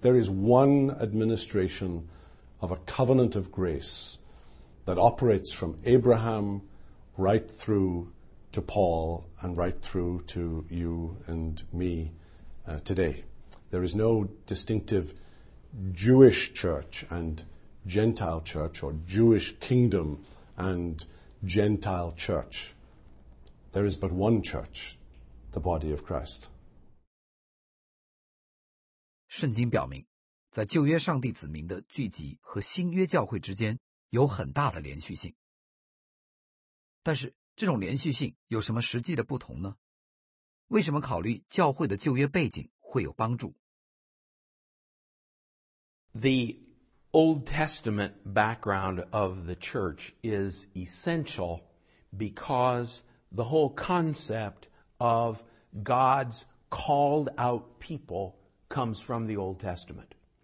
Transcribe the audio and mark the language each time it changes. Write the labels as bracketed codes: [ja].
[en] There is one administration of a covenant of grace that operates from Abraham right through to Paul and right through to you and me today. There is no distinctive Jewish church and Gentile church or Jewish kingdom and Gentile church. There is but one church, the body of Christ. [zh] 圣经表明，在旧约上帝子民的聚集和新约教会之间有很大的连续性。但是，这种连续性有什么实际的不同呢？为什么考虑教会的旧约背景会有帮助？ [en] The Old Testament background of the church is essential because the whole concept of God's called out people comes from the Old Testament.